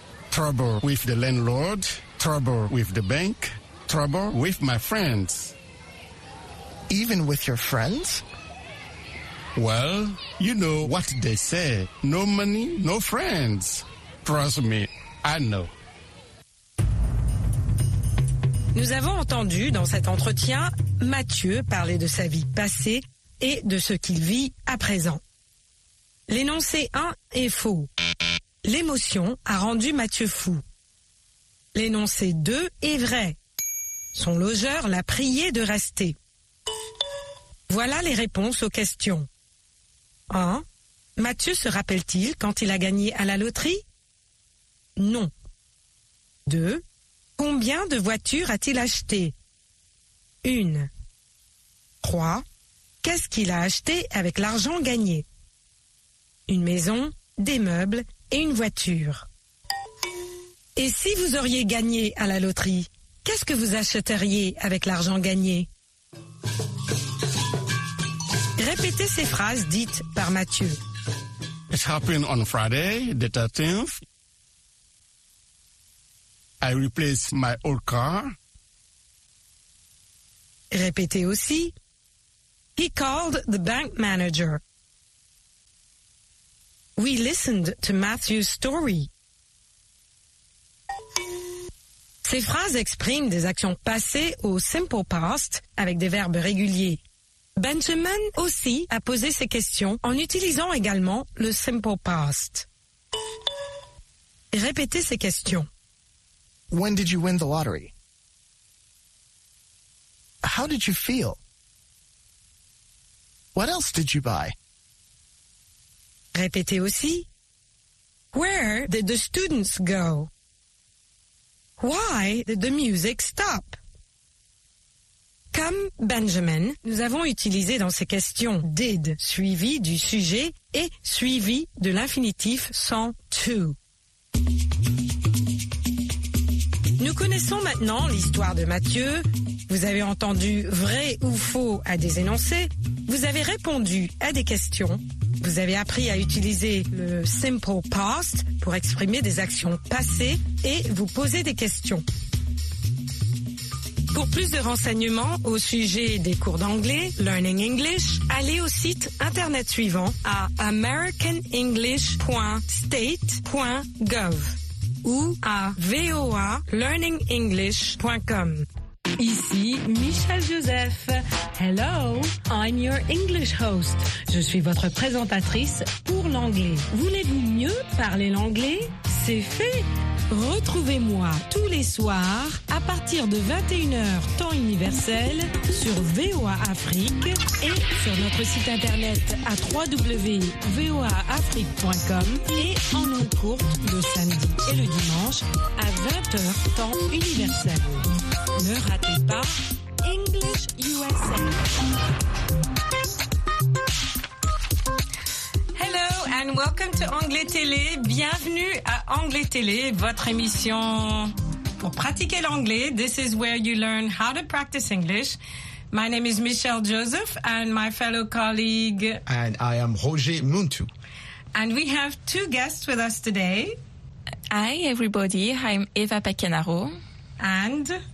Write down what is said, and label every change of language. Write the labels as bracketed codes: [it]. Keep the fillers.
[en] Trouble with the landlord, trouble with the bank, trouble with my friends. Even with your friends? Well, you know what they say no money, no friends. Trust me, I know. [fr] Nous avons entendu dans cet entretien Mathieu parler de sa vie passée et de ce qu'il vit à présent. L'énoncé 1 est faux. L'émotion a rendu Mathieu fou. L'énoncé 2 est vrai. Son logeur l'a prié de rester. Voilà les réponses aux questions. 1. Mathieu se rappelle-t-il quand il a gagné à la loterie Non. 2. Combien de voitures a-t-il acheté Une. 3. Qu'est-ce qu'il a acheté avec l'argent gagné Une maison, des meubles et une voiture. Et si vous auriez gagné à la loterie, qu'est-ce que vous achèteriez avec l'argent gagné Répétez ces phrases dites par Mathieu. [en] It happened on Friday, the 13th. I replaced my old car. [fr] Répétez aussi. [en] He called the bank manager. We listened to Matthew's story. [fr] Ces phrases expriment des actions passées au simple past avec des verbes réguliers. Benjamin aussi a posé ses questions en utilisant également le simple past. Répétez ces questions. [en] When did you win the lottery? How did you feel? What else did you buy? [fr] Répétez aussi. [en] Where did the students go? Why did the music stop? [fr] Comme Benjamin, nous avons utilisé dans ces questions did suivi du sujet et suivi de l'infinitif sans to. Nous connaissons maintenant l'histoire de Matthieu. Vous avez entendu vrai ou faux à des énoncés. Vous avez répondu à des questions. Vous avez appris à utiliser le simple past pour exprimer des actions passées et vous poser des questions. Pour plus de renseignements au sujet des cours d'anglais, Learning English, allez au site internet suivant à americanenglish.state.gov ou à voalearningenglish.com. Ici Michel Joseph. [en] Hello, I'm your English host. [fr] Je suis votre présentatrice pour l'anglais. Voulez-vous mieux parler l'anglais C'est fait. Retrouvez-moi tous les soirs à partir de 21h temps universel sur VOA Afrique et sur notre site internet à www.voaafrique.com et en ondes courtes le samedi et le dimanche à 20h temps universel. Ne ratez pas English USA. [en] Hello and welcome to [fr] Anglais Télé. Bienvenue à Anglais Télé, votre émission pour pratiquer l'anglais. [en] This is where you learn how to practice English. My name is Michelle Joseph and my fellow colleague. And I am Roger Muntu. And we have two guests with us today. Hi, everybody. I'm Eva Pacanaro. And.